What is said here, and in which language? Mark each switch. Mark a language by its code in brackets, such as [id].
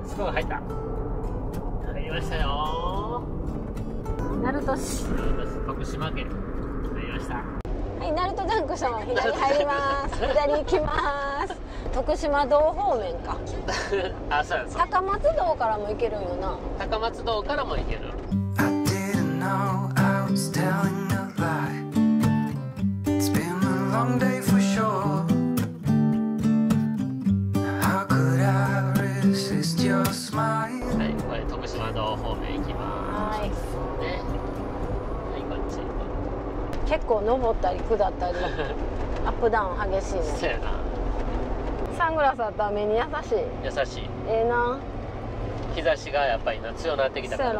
[ja] 四国入った。入りましたよ。鳴門市、徳島県入りました。はい、鳴門ジャンクション左入ります。左行きます。徳島道方面か。あ、そうそう、高松道からも行けるよな。高松道からも行ける。 [en] I didn't know I was telling a lie. It's been a long day for sure. How could I resist your smile? [ja] はい、これ徳島道方面行きます。はい、ね、はい、こっち。結構登ったり下ったりアップダウン激しいね。そうやな。サングラスあったら目に優しい。優しい。ええー、な。日差しがやっぱりな、強なってきたからな。